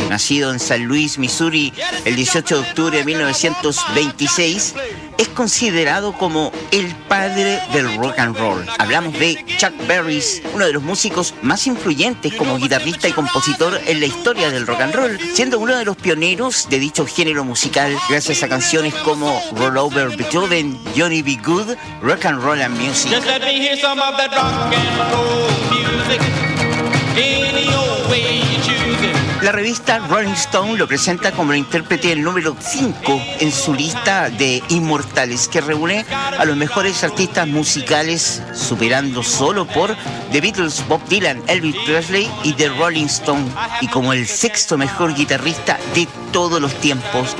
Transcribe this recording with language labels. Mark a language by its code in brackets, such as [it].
[es] Nacido en San Luis, Missouri, el 18 de octubre de 1926, es considerado como el padre del rock and roll. Hablamos de Chuck Berry, uno de los músicos más influyentes como guitarrista y compositor en la historia del rock and roll, siendo uno de los pioneros de dicho género musical gracias a canciones como Roll Over Beethoven, Johnny B. [en] Goode, Rock and Roll and Music. Just let me hear some of that rock and roll music. [es] La revista Rolling Stone lo presenta como el intérprete del número 5 en su lista de inmortales, que reúne a los mejores artistas musicales, superando solo por The Beatles, Bob Dylan, Elvis Presley y The Rolling Stone, y como el sexto mejor guitarrista de todos los tiempos.